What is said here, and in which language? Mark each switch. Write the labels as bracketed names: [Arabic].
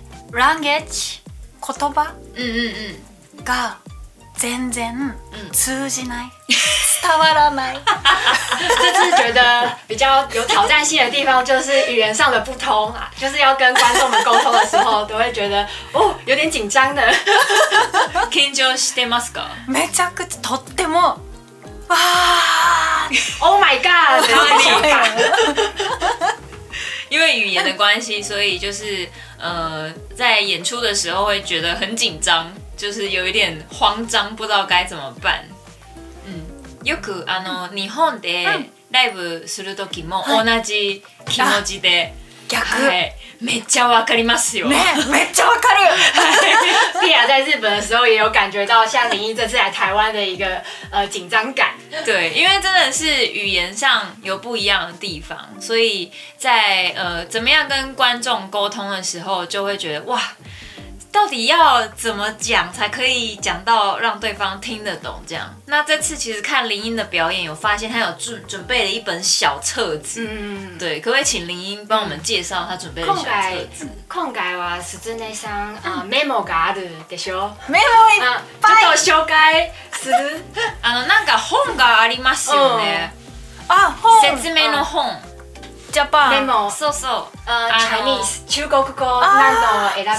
[Japanese] language 言葉、が全然通じない、伝わらない。 [Chinese] 这次觉得比较有挑战性的地方就是语言上的不通啊，就是要跟观众们沟通的时候，都会觉得哦有点紧张的。 [Japanese] 緊張してますか？めちゃくちゃとっても、 [English] 哇 ，Oh my God！ [Chinese] 哪里？语言的关系，所以就是在演出的时候会觉得很紧张，就是有一点慌张，不知道该怎么办。 [Japanese] 嗯，よくあの日本でライブする時も同じ気持ちで。逆、はい、めっちゃわかりますよ。ね、めっちゃわかる。 [Chinese] ピア在日本的时候也有感觉到像林一这次来台湾的一个紧张感。对，因为真的是语言上有不一样的地方，所以在怎么样跟观众沟通的时候，就会觉得哇，到底要怎么讲才可以讲到让对方听得懂这样。那这次其实看林英的表演有发现他有准备了一本小册子。嗯，对，可不可以请林英帮我们介绍他准备的小册子。 [Japanese] 今回は室内さん、メモがあるでしょ。メモいっぱい、ちょっと紹介する。あのなんか本がありますよね。あ、本、説明の本。 [English] Japan、 [Japanese] メモ、そうそう、 Chinese、中国語何度選べる、